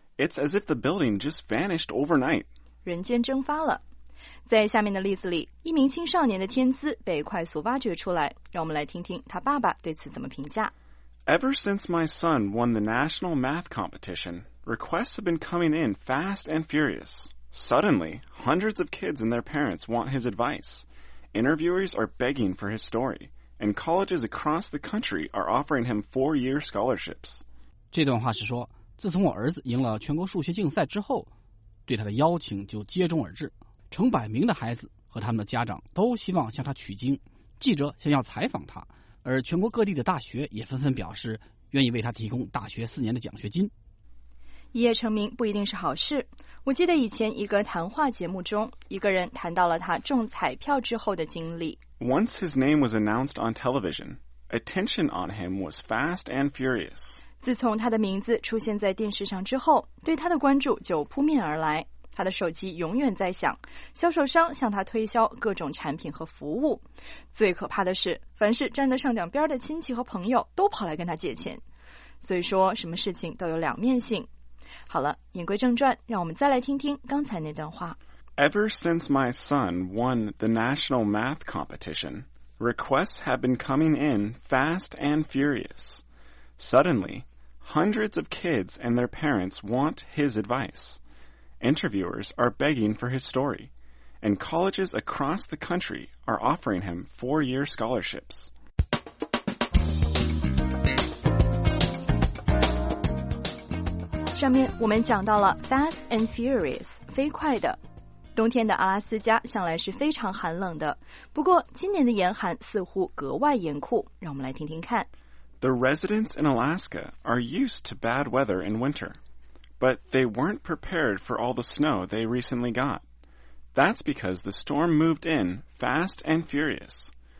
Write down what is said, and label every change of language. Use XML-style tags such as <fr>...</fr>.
<en>It's as if the building just vanished overnight.</en> <zh>人间蒸发了。在下面的例子里，一名青少年的天资被快速挖掘出来。让我们来听听他爸爸对此怎么评价。</zh> <en>Ever since my son won the national math competition, requests have been coming in fast and furious. Suddenly, hundreds of kids and their parents want his advice. Interviewers are begging for his story, and colleges across the country are offering him 4-year scholarships.</en> <zh>这段话是说，自从我儿子赢了全国数学竞赛之后，对他的邀请就接踵而至。成百名的孩子和他们的家长都希望向他取经，记者想要采访他，而全国各地的大学也纷纷表示愿意为他提供大学4年的奖学金。一夜成名不一定是好事。我记得以前一个谈话节目中，一个人谈到了他中彩票之后的经历。</zh> <en>Once his name was announced on television, attention on him was fast and furious.</en> <zh>自从他的名字出现在电视上之后，对他的关注就扑面而来。他的手机永远在响，销售商向他推销各种产品和服务。最可怕的是，凡是沾得上点边的亲戚和朋友都跑来跟他借钱。所以说，什么事情都有两面性。好了，言归正传，让我们再来听听刚才那段话。</zh> <en>Ever since my son won the national math competition, requests have been coming in fast and furious. Suddenly, hundreds of kids and their parents want his advice. Interviewers are begging for his story, and colleges across the country are offering him 4-year scholarships.</en> <zh>上面我们讲到了</zh> <en>fast and furious,</en> <zh>飞快的。冬天的阿拉斯加向来是非常寒冷的，不过今年的严寒似乎格外严酷，让我们来听听看。</zh> <en>The residents in Alaska are used to bad weather in winter, but they weren't prepared for all the snow they recently got. That's because the storm moved in fast and furious.</en>